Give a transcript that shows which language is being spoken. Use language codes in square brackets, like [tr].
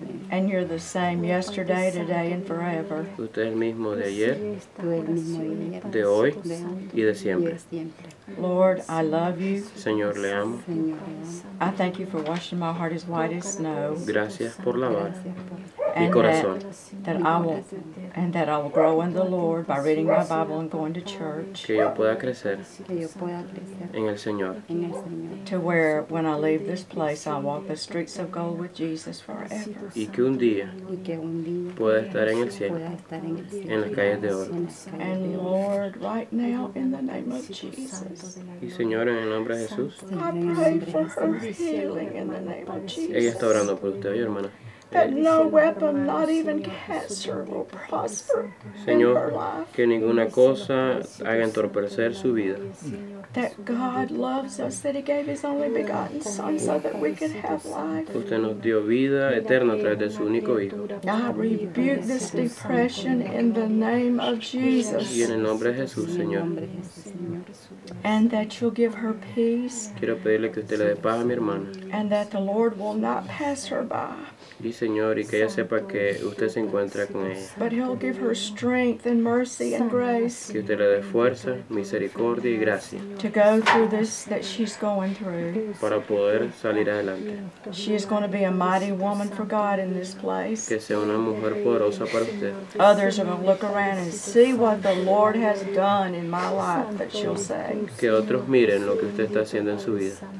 [en] And you're the same yesterday, today, and forever. [es] Usted es el mismo de ayer, de hoy y de siempre. [en] Lord, I love you. [es] Señor, le amo. [en] I thank you for washing my heart as white as snow. [es] Gracias por lavar [en] and that I will grow in the Lord by reading my Bible and going to church. [es] Que yo pueda crecer en el Señor. [en] To where when I leave this place, I walk the streets of gold with Jesus forever. [es] Y que un día pueda estar en el cielo, en las calles de oro. [en] And Lord, right now, in the name of Jesus. [es] Y Señor, en el nombre de Jesús. [en] I pray for her healing in the name of Jesus. [es] Ella está orando por usted, hermana. [en] That no weapon, not even cancer, will prosper in her life. [es] Señor, que ninguna cosa haga entorpecer su vida. [en] That God loves us, that He gave His only begotten Son, so that we could have life. [es] Usted nos dio vida eterna a través de su único hijo. [en] I rebuke this depression in the name of Jesus. [es] Y en el nombre de Jesús, Señor. [en] And that you'll give her peace. [es] Quiero pedirle que usted le dé paz a mi hermana. [en] And that the Lord will not pass her by. [es] Y Señor, y que ella sepa que usted se encuentra con ella. [en] But He'll give her strength and mercy and grace. [es] Que usted le dé fuerza, misericordia y gracia. [en] To go through this that she's going through. [es] Para poder salir adelante. [en] She is going to be a mighty woman for God in this place. [es] Que sea una mujer poderosa para usted. [en] Others are going to look around and see what the Lord has done in my life, that she'll say. [es] Que otros miren lo que usted está haciendo en su vida.